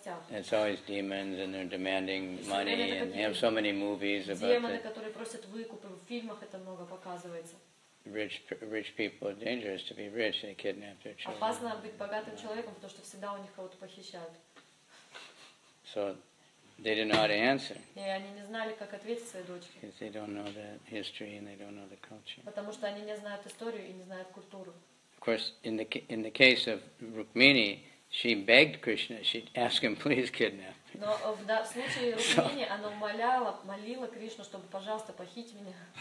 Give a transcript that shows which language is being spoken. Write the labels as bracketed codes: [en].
[en] It's always demons and they're demanding money and they have so many movies about it. Rich people are dangerous to be rich, they kidnap their children. [ru] Опасно быть богатым человеком, потому что всегда у них кого-то похищают. [en] So they didn't know how to answer. [ru] И они не знали, как ответить своей дочке. [en] Because they don't know the history and they don't know the culture. [ru] Потому что они не знают историю и не знают культуру. [en] Of course, in the case of Rukmini, she begged Krishna, she'd ask him, please kidnap me. [ru] Но в случае Рукмини она умоляла, молила Кришну, чтобы, пожалуйста, похитить меня.